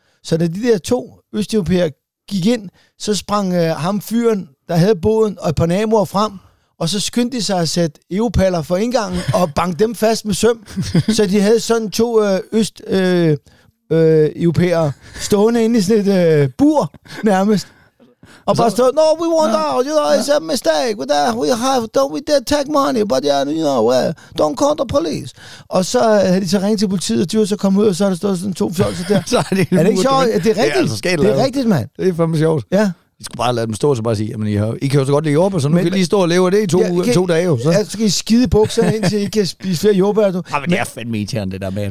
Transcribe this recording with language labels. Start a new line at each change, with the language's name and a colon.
Danish: Så da de der to østeuropæer gik ind, så sprang ham fyren, der havde båden, og et par naboer frem, og så skyndte de sig at sætte EU-paller for indgangen, og bank dem fast med søm, så de havde sådan to østeuropæere stående inde i sådan et bur, nærmest.
English: Og bare stod, no, we want out, you know, it's a mistake, with that. We have, don't we dare take money, but yeah, you know, don't call the police.
Danish: Og så havde de så ringet til politiet, og de var så kommet ud, og så havde der stået sådan to fjolser der. Så er det ikke sjovt? Det er rigtigt. Det er, altså det er rigtigt, mand. Det er fandme sjovt. Ja. I skulle bare lade dem stå og så bare sige, jamen, I kan jo så godt lide jordbær, så nu men, kan I lige stå og leve af det i to dage. Jo, så. Ja, så kan I skide bukserne ind, til I kan spise flere jordbær. Ja, men det er fandme irriterende, det der med.